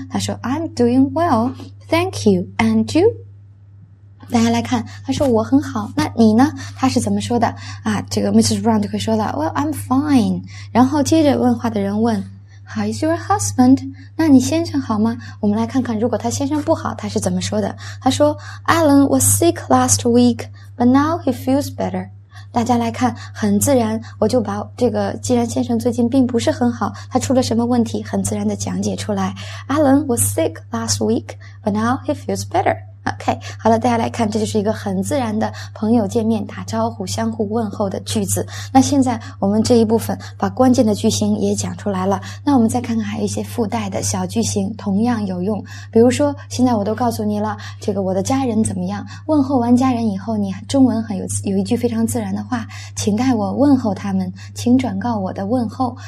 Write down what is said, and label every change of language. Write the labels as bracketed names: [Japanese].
[Chinese] 他说 [English] I'm doing well, thank you, and you? [Chinese] 大家来看，他说我很好，那你呢？他是怎么说的？啊，这个 Mrs. Brown 就会说了 [English] Well, I'm fine, [Chinese] 然后接着问话的人问 [English] How is your husband? [Chinese] 那你先生好吗？我们来看看，如果他先生不好，他是怎么说的？他说 [English] Alan was sick last week, but now he feels better. [Chinese] 大家来看，很自然，我就把这个，既然先生最近并不是很好，他出了什么问题，很自然的讲解出来。 [English] Alan was sick last week, but now he feels better. [Chinese] OK, 好了，大家来看，这就是一个很自然的朋友见面打招呼相互问候的句子。那现在我们这一部分把关键的句型也讲出来了，那我们再看看还有一些附带的小句型同样有用。比如说现在我都告诉你了这个我的家人怎么样，问候完家人以后，你中文很有一句非常自然的话，请代我问候他们，请转告我的问候。